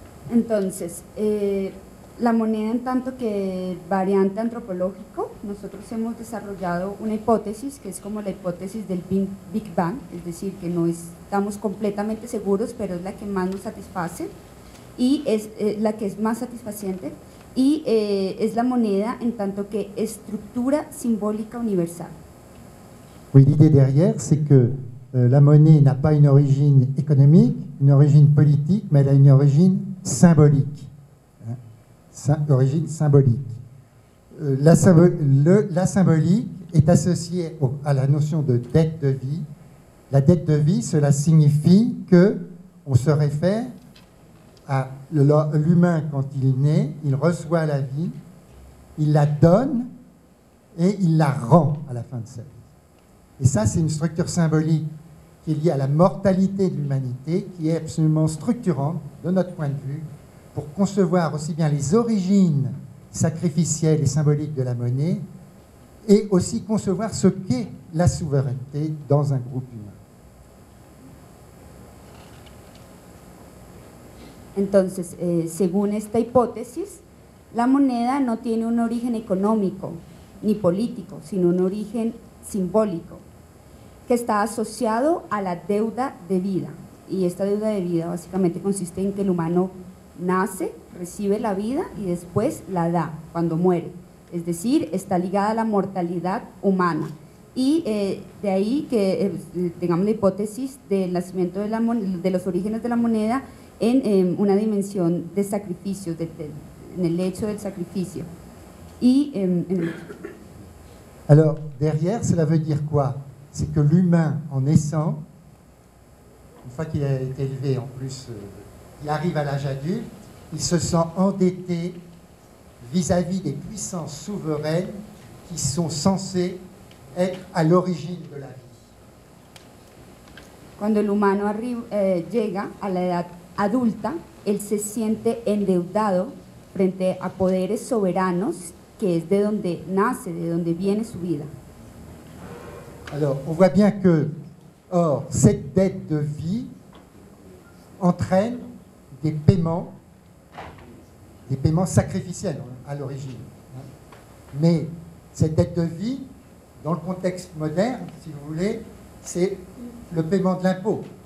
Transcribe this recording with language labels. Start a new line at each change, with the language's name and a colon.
Spanish: Entonces, la moneda en tanto que variante antropológico, nosotros hemos desarrollado una hipótesis que es como la hipótesis del Big Bang, es decir, que no estamos completamente seguros, pero es la que más nos satisface y es la que es más satisfaciente y es la moneda en tanto que estructura simbólica universal.
French: Oui, l'idée derrière, c'est que la monnaie n'a pas une origine économique, une origine politique, mais elle a une origine symbolique. Origine symbolique. La symbolique est associée à la notion de dette de vie. La dette de vie, cela signifie que on se réfère à l'humain quand il naît, il reçoit la vie, il la donne et il la rend à la fin de sa vie. Et ça, c'est une structure symbolique qu'il y a la mortalité de l'humanité qui est absolument structurante de notre point de vue pour concevoir aussi bien les origines sacrificielles et symboliques de la monnaie et aussi concevoir ce qu'est la souveraineté dans un groupe humain.
Spanish: Entonces, según esta hipótesis, la moneda no tiene un origen económico ni político, sino un origen simbólico, que está asociado a la deuda de vida. Y esta deuda de vida básicamente consiste en que el humano nace, recibe la vida y después la da cuando muere. Es decir, está ligada a la mortalidad humana. Y de ahí que tengamos la hipótesis del nacimiento de, de los orígenes de la moneda en una dimensión de sacrificio, en el hecho del sacrificio. Y,
French: Alors, derrière, cela veut dire quoi? C'est que l'humain, en naissant, une fois qu'il a été élevé, en plus, il arrive à l'âge adulte, il se sent endetté vis-à-vis des puissances souveraines qui sont censées être à l'origine de la vie. Quand l'humain
Spanish: llega
French: à l'âge adulte, il se sent
Spanish: endeudado frente à poderes soberanos. Que es de donde nace, de donde viene su vida.
French: Alors, on voit bien que, or, cette dette de vie entraîne des paiements sacrificiels à l'origine. Mais cette dette de vie, dans le contexte moderne, si vous voulez, c'est le paiement de l'impôt.